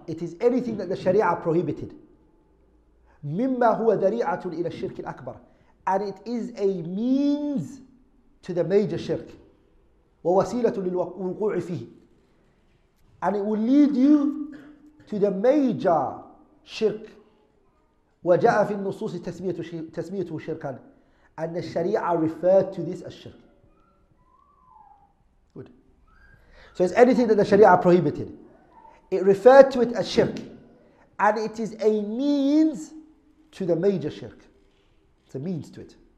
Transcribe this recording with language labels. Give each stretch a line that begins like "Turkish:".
English: It is anything that the Sharia prohibited.
Arabic: مِمَّا هُوَ ذَرِيعَةٌ إِلَى الشِّرْكِ الْأَكْبَرِ.
English: And it is a means to the major shirk.
Arabic: وَوَسِيلَةٌ لِلْوُقُوعِ فِيهِ.
English: And it will lead you to the major shirk.
Arabic: وَجَاءَ فِي النُّصُوصِ تَسْمِيَتُهُ شِرْكًا.
English: And the Sharia referred to this as shirk. Good. So it's anything that the Sharia prohibited. It referred to it as shirk. And it is a means to the major shirk. It's a means to it.